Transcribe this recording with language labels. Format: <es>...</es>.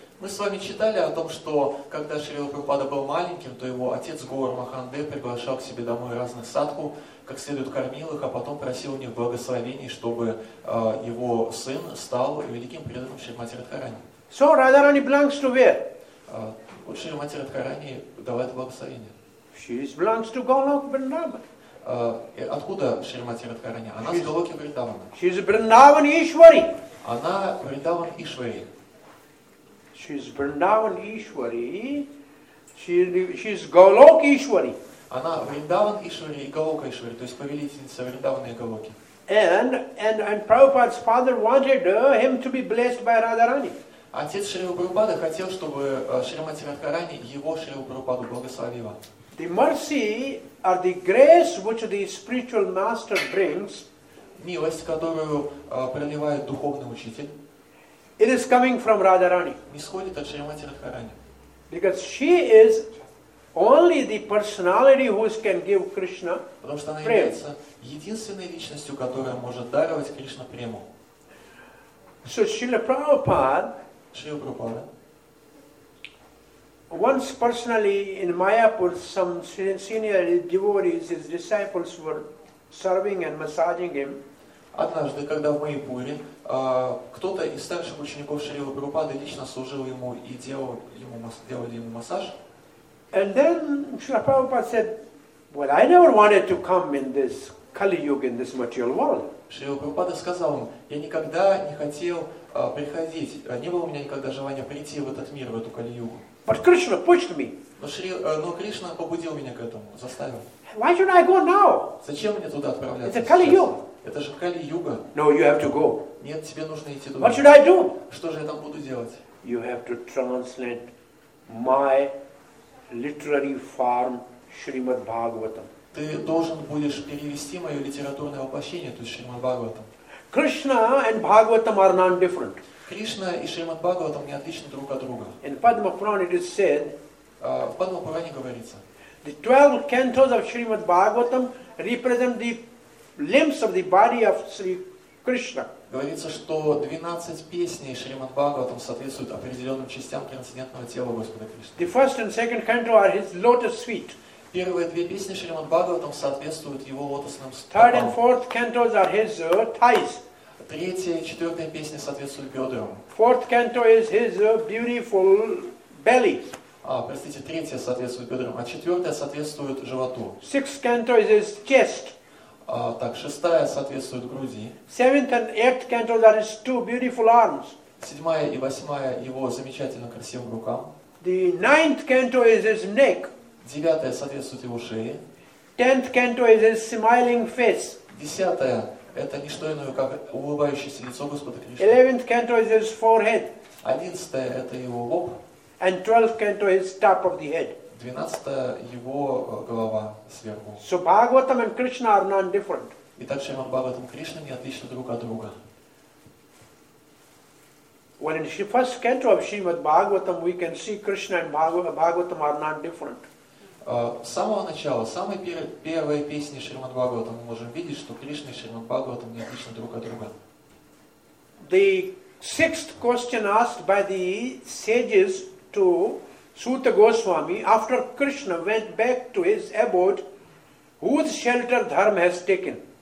<ru>Мы с вами читали о том, что когда Шрила Прабхупада был маленьким, то его отец Гор Махандев приглашал к себе домой разных садху, как следует кормил их, а потом просил у них благословений, чтобы его сын стал великим преданным Шримати Радхарани.</ru> <en>So Radharani belongs to where?</en> <ru>Вот Шримати Радхарани давает благословение.</ru> <en>She belongs to Golok Vrindavan.</en> <ru>Откуда Шримати Радхарани? Она с Голоки Вриндавана.</ru> <en>She is Vrindavan Ishwari.</en> <ru>Она Вриндаван Ишвари.</ru> <en>She is Vrindavan Ishwari. She is Golok Ishwari.</en> <ru>Она Вриндаван Ишвари и Голока Ишвари, то есть повелительница Вриндавана и Голоки.</ru> <en>And Prabhupada's father wanted him to be blessed by Radharani.</en> <ru>Отец Шрилы Прабхупады хотел, чтобы Шримати Радхарани его Шрилу Прабхупаду благословила.</ru> <en>The mercy or the grace which the spiritual master brings,</en> <ru>милость, которую проливает духовный учитель,</ru> <en>it is coming from Radharani.</en> <ru>Исходит от Шримати Радхарани.</ru> <en>Because she is only the personality who can give Krishna prema.</en> <ru>Потому что она является единственной личностью, которая может даровать Кришна прему.</ru> <en>So Srila Prabhupada,</en> <ru>Шрила Прабхупада,</ru> <en>once personally in Mayapur, some senior devotees, his disciples were serving and massaging him.</en> <ru>Однажды, когда в Майяпуре, кто-то из старших учеников Шрилы Прабхупады лично служил ему и делали ему массаж.</ru> <en>And then Srila Prabhupada said, "Well, I never wanted to come in this Kali Yuga, in this material world."</en> <ru>Шрила Прабхупада сказал ему, "Я никогда не хотел приходить, не было у меня никогда желания прийти в этот мир, в эту Кали Югу."</ru> <en>But Krishna pushed me.</en> <ru>Но Кришна побудил меня к этому, заставил.</ru> <en>Why should I go now?</en> <ru>Зачем мне туда отправляться?</ru> <en>It's a Kali Yuga.</en> <ru>Это же Кали Юга.</ru> <en>No, you have to go.</en> <ru>Нет, тебе нужно идти туда.</ru> <en>What should I do?</en> <ru>Что же я там буду делать?</ru> <en>You have to translate my literary form, Shrimad Bhagavatam.</en> <ru>Ты должен будешь перевести мое литературное воплощение, то есть Шримад Бхагаватам.</ru> <en>Krishna and Bhagavatam are non-different.</en> <ru>Кришна и Шримад Бхагаватам не отличны друг от друга.</ru> <en>In Padma Purana it is said.</en> <ru>В Падма Пуране говорится.</ru> <en>The 12 cantos of Shrimad Bhagavatam represent the limbs of the body of Sri Krishna.</en> <ru>Говорится, что 12 песней Шримад Бхагаватам соответствуют определенным частям трансцендентного тела Господа Кришны.</ru> <en>The first and second canto are his lotus feet.</en> <ru>Первые две песни Шримад Бхагаватам соответствуют его лотосным стопам.</ru> <en>Third and fourth cantos are his thighs.</en> <ru>Третья и четвертая песни соответствуют бедрам.</ru> <en>Fourth canto is his beautiful belly.</en> <ru>Простите, третья соответствует бедрам, а четвертая соответствует животу.</ru> <en>Sixth canto is his chest.</en> <ru>Так, шестая соответствует груди.</ru> <en>Seventh and eighth canto are his two beautiful arms.</en> <ru>Седьмая и восьмая его замечательно красивым рукам.</ru> <en>The ninth canto is his neck.</en> <ru>Девятая соответствует его шее.</ru> <en>Tenth canto is his smiling face.</en> <ru>Десятая это не что иное, как улыбающееся лицо Господа Кришны.</ru> <en>Eleventh canto is his forehead.</en> <ru>Одиннадцатая это его лоб.</ru> <en>And twelfth canto is top of the head.</en> <ru>Двенадцатая его голова сверху.</ru> <en>So Bhagavatam and Krishna are non-different.</en> <ru>Итак, Шримад Бхагаватам и Кришна не отличны друг от друга.</ru> <en>When in the first canto of Shrimad Bhagavatam, we can see Krishna and Bhagavatam are non-different.</en> <ru>С самого начала, самой первой песни Шримад Бхагаватам мы можем видеть, что Кришна и Шримад Бхагаватам не отличны друг от друга.</ru> <en>The sixth question asked by the sages to Suta Goswami, after Krishna went back to his abode, whose shelter dharma has taken?</en>